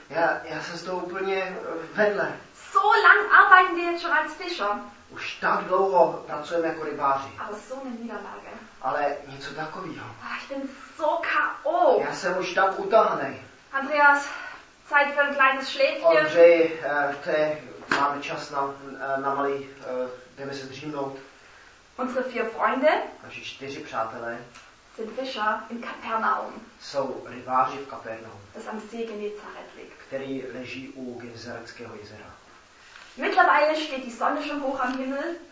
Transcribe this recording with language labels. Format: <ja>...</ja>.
<cs>Já jsem z toho úplně vedle.</cs> <de>So lang arbeiten wir jetzt schon als Fischer.</de> <cs>Už tak dlouho pracujeme jako rybáři.</cs> <de>Aber so eine Niederlage.</de> <cs>Ale něco takového.</cs> <de>Ich bin so K.O.</de> <cs>Já jsem už tak utahanej.</cs> <de>Andreas, Zeit für ein kleines Schläfchen.</de> <cs>Andrej, máme čas na malý, jdeme se dřímnout.</cs> <de>Unsere 4 Freunde.</de> <cs>Naši 4 přátelé.</cs> <de>Sind Fischer in Kapernaum.</de> <cs>Jsou rybáři v Kapernaum.</cs> <de>Das am See Genezareth liegt.</de> <cs>Který leží u Genezareckého jezera.</cs> <de>Mittlerweile steht die Sonne schon hoch am Himmel.</de>